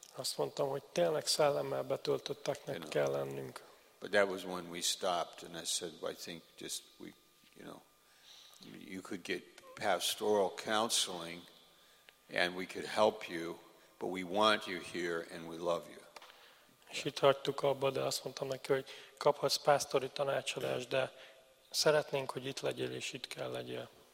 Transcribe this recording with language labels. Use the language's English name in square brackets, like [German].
[Hungarian] Azt mondtam, hogy tényleg szellemmel betöltötteknek kell lennünk. [English] But that was when we stopped and I said, well, I think just we, you know, you could get pastoral counseling and we could help you, but we want you here and we love you. [Hungarian] És itt hagytuk abba, de azt mondtam neki, hogy kaphatsz pásztori tanácsadást, de szeretnénk, hogy itt legyél és itt kell legyél.